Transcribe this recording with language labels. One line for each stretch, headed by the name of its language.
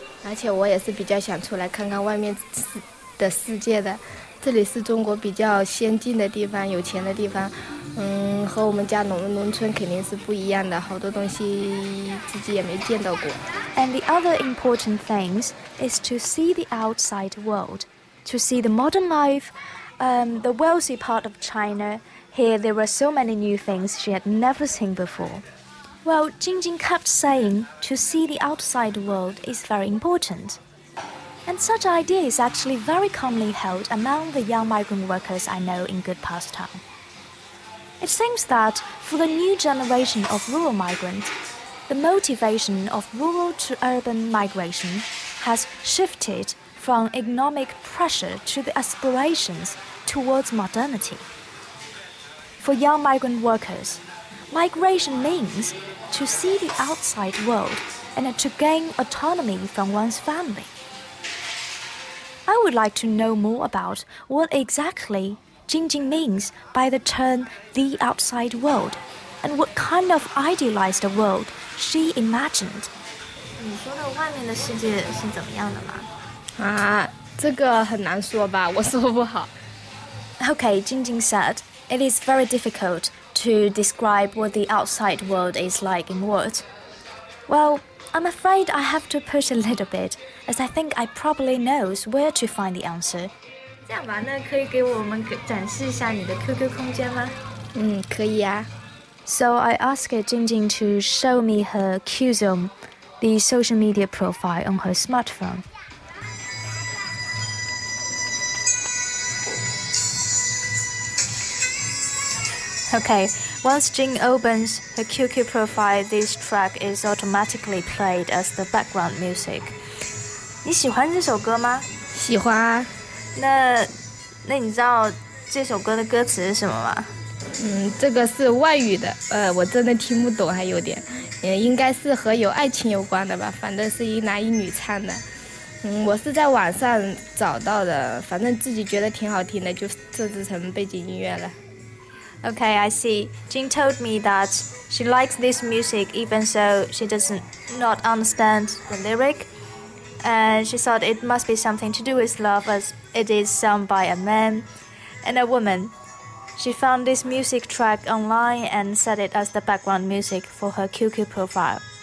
Chinese: 而且我也是比较想出来看看外面的世界的。这里是中国比较先进的地方，有钱的地方，和我们家农村肯定是不一样的，好多东西自己也没见到过。
English: And the other important things is to see the outside world, to see the modern life, the wealthy part of China. Here there were so many new things she had never seen before. Well, Jingjing kept saying to see the outside world is very important. And such idea is actually very commonly held among the young migrant workers I know in good past town. It seems that for the new generation of rural migrants, the motivation of rural to urban migration has shifted from economic pressure to the aspirations towards modernity. For young migrant workers, migration means to see the outside world and to gain autonomy from one's family. I would like to know more about what exactly Jingjing means by the term the outside world and what kind of idealized world she imagined.
Chinese: 你说的外面的世界是怎么样的吗？啊，这个很难说吧，我说不好。
English: Okay, Jingjing said, it is very difficult to describe what the outside world is like in words. Well,I'm afraid I have to push a little bit, as I think I probably knows where to find the answer.
Chinese: 这样吧，那可以给我们展示一下你的 QQ 空间吗？可以啊。
English: So I asked Jingjing to show me her QZone, the social media profile on her smartphone. Okay, Once Jing opens her QQ profile, this track is automatically played as the background music.
Chinese: 你喜欢这首歌吗？喜欢。那你知道这首歌的歌词是什么吗？这个是外语的，我真的听不懂，还有点，应该是和有爱情有关的吧，反正是一男一女唱的。我是在网上找到的，反正自己觉得挺好听的，就设置成背景音乐了。
English: Okay, I see. Jing told me that she likes this music even so she doesn't understand the lyric. And she thought it must be something to do with love as it is sung by a man and a woman. She found this music track online and set it as the background music for her QQ profile.